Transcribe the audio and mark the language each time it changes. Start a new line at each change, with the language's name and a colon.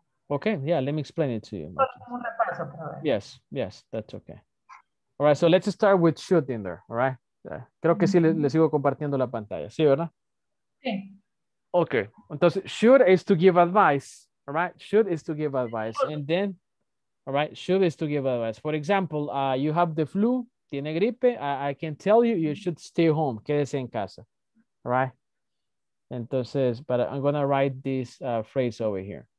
English: Okay, yeah, let me explain it to you.
Spanish: Repaso,
English: yes, that's okay. All right, so let's start with should in there, all right?
Spanish: Creo que mm-hmm. sí le sigo compartiendo la pantalla, ¿sí, verdad? Sí.
English: Okay, entonces, should is to give advice, all right? Should is to give advice, and then, all right, should is to give advice. For example, you have the flu,
Spanish: tiene gripe,
English: I can tell you, you should stay home,
Spanish: quédese en casa,
English: all right? Entonces, but I'm going to write this phrase over here.